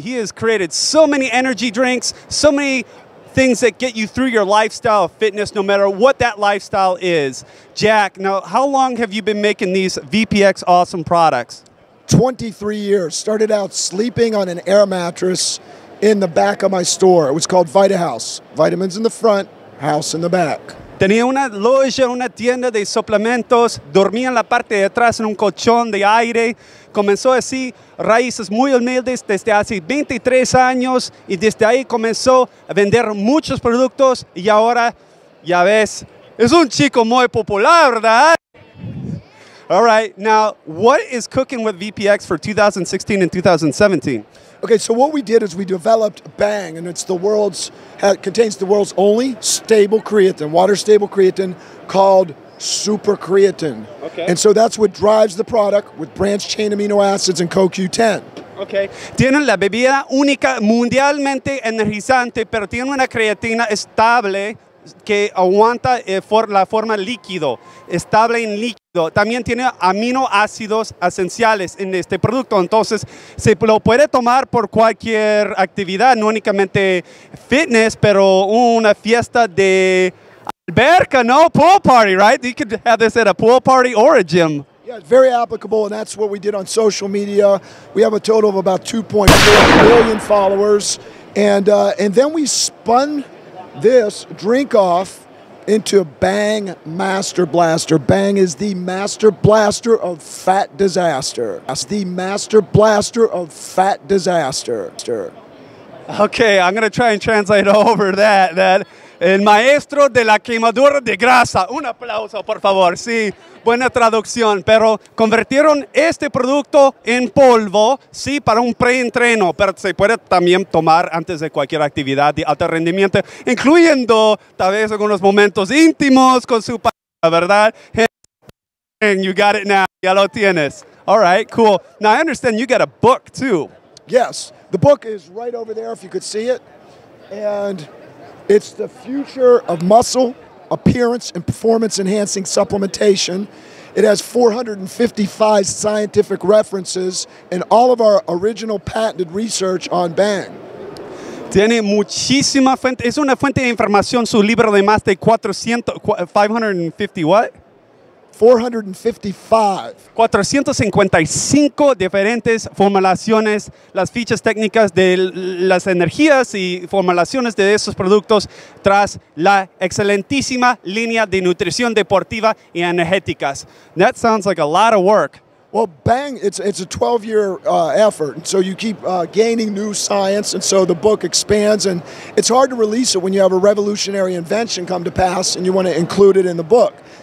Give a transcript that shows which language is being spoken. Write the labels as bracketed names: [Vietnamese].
[English] He has created so many energy drinks, so many things that get you through your lifestyle of fitness, no matter what that lifestyle is. Jack, now, how long have you been making these VPX awesome products? 23 years. Started out sleeping on an air mattress in the back of my store. It was called Vita House. Vitamins in the front, house in the back. [Spanish] Tenía una loja, una tienda de suplementos, dormía en la parte de atrás en un colchón de aire. Comenzó así, raíces muy humildes desde hace 23 años y desde ahí comenzó a vender muchos productos y ahora, ya ves, es un chico muy popular, ¿verdad? [English] All right, now, what is cooking with VPX for 2016 and 2017? Okay, so what we did is we developed Bang, and it's the world's, contains the world's only stable creatine, water-stable creatine, called super creatine. Okay. And so that's what drives the product with branched-chain amino acids and CoQ10. Okay. [Spanish] Tienen la bebida única mundialmente energizante, pero tienen una creatina estable que aguanta la forma líquido, estable en líquido. También tiene aminoácidos esenciales en este producto, entonces se lo puede tomar por cualquier actividad, no únicamente fitness, pero una fiesta de alberca, no, [English] pool party, right? You could have this at a pool party or a gym. Yeah, very applicable, and that's what we did on social media. We have a total of about 2.4 million followers, and then we spun this drink off into Bang Master Blaster. Bang is the master blaster of fat disaster. That's the master blaster of fat disaster. Okay, I'm gonna try and translate over that. That [Spanish] el maestro de la quemadura de grasa. Un aplauso, por favor. Sí, buena traducción. Pero convirtieron este producto en polvo, sí, para un pre-entreno. Pero se puede también tomar antes de cualquier actividad de alto rendimiento, incluyendo tal vez algunos momentos íntimos con su pareja, ¿verdad? [English] And you got it now. [Spanish] Ya lo tienes. [English] All right, cool. Now, I understand you got a book, too. Yes. The book is right over there, if you could see it. And it's the future of muscle appearance and performance enhancing supplementation. It has 455 scientific references and all of our original patented research on Bang. [Spanish] Tiene muchísima fuente, es una fuente de información su libro de más de 455 diferentes formulaciones, las fichas técnicas de las energías y formulaciones de esos productos tras la excelentísima línea de nutrición deportiva y energéticas. [English] That sounds like a lot of work. Well, Bang, it's a 12-year effort, and so you keep gaining new science, and so the book expands, and it's hard to release it when you have a revolutionary invention come to pass and you want to include it in the book.